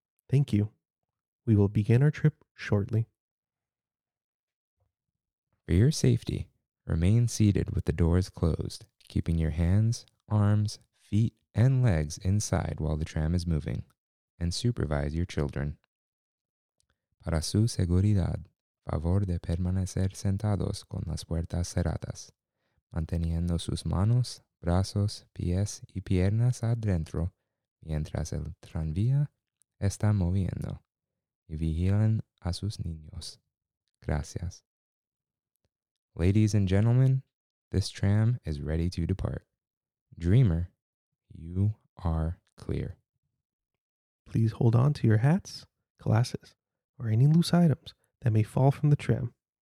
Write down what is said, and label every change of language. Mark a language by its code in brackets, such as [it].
[en] Thank you. We will begin our trip shortly. For your safety, remain seated with the doors closed, keeping your hands, arms, feet, and legs inside while the tram is moving, and supervise your children. [es] Para su seguridad, favor de permanecer sentados con las puertas cerradas, manteniendo sus manos, brazos, pies y piernas adentro mientras el tranvía está moviendo y vigilan a sus niños. Gracias. [en] Ladies and gentlemen, this tram is ready to depart. Dreamer, you are clear. Please hold on to your hats, glasses, or any loose items that may fall from the tram.